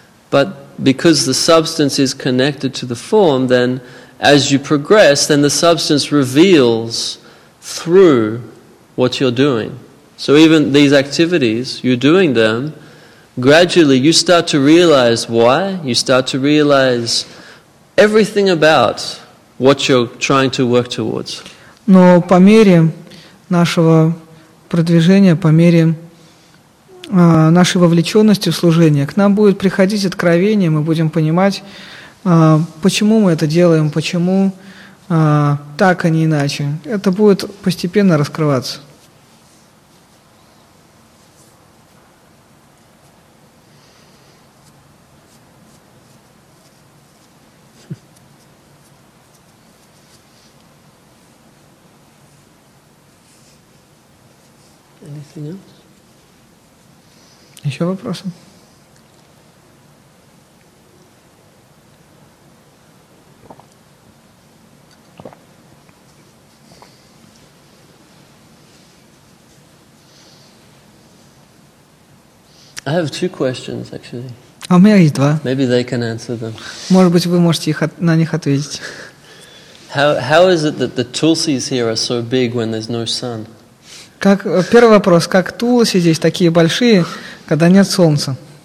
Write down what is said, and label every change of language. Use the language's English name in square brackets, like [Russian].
[English] But because the substance is connected to the form, then as you progress, then the substance reveals through what you're doing. So even these activities, you're doing them, gradually you start to realize why, you start to realize everything about what you're trying to work towards. [Russian] Но по мере нашего продвижения, по мере нашей вовлеченности в служение, к нам будет приходить откровение, мы будем понимать, почему мы это делаем, почему так, а не иначе. Это будет постепенно раскрываться. Еще вопросы? [English] I have two questions, actually. [Russian] А у меня есть два. [English] Maybe they can answer them. [Russian] Может быть, вы можете их на них ответить. [English] How is it that the tulsis here are so big when there's no sun? [Russian] Как, первый вопрос, как тулоси здесь такие большие, когда нет солнца?